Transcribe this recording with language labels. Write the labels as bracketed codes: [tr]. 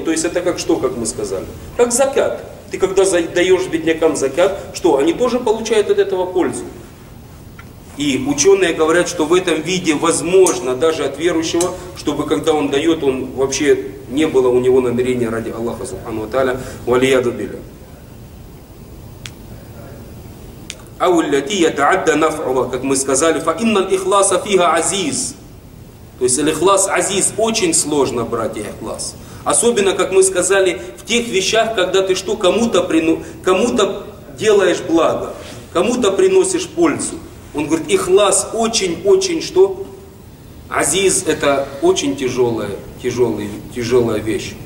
[ru] То есть это как что, как мы сказали? Как закят. Ты когда даешь беднякам закят, что? Они тоже получают от этого пользу. И ученые говорят, что в этом виде возможно даже от верующего, чтобы когда он дает, он вообще не было у него намерения ради Аллаха субхану ва тааля, [ar] валияду биля. أو التي يتعدى نفعها، [ru] как мы сказали، [ar] فإن الإخلاص فيها عزيز. [ru] То есть [ar] الإخلاص عزيز. [ru] Очень сложно, братья, إخلاص. Особенно, как мы сказали, в тех вещах, когда ты что, кому-то делаешь благо, кому-то приносишь пользу. Он говорит, إخلاص очень-очень что? عزيز – это очень тяжелая вещь.